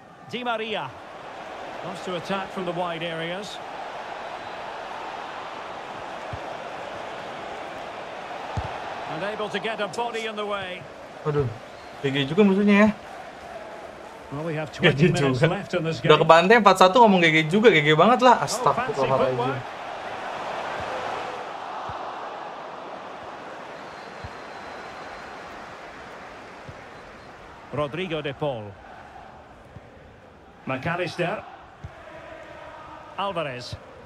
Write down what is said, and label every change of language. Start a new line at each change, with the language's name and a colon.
English: Di Maria wants to attack from the wide areas. And able to get a body in the way.
Indonesian: Aduh, tinggi juga musuhnya ya.
English: Well, we have 20 minutes left in this game.
Indonesian: Udah kebantai 4-1 ngomong GG juga, GG banget lah. Astagfirullahaladzim.
English: Rodrigo De Paul. McAllister. Alvarez.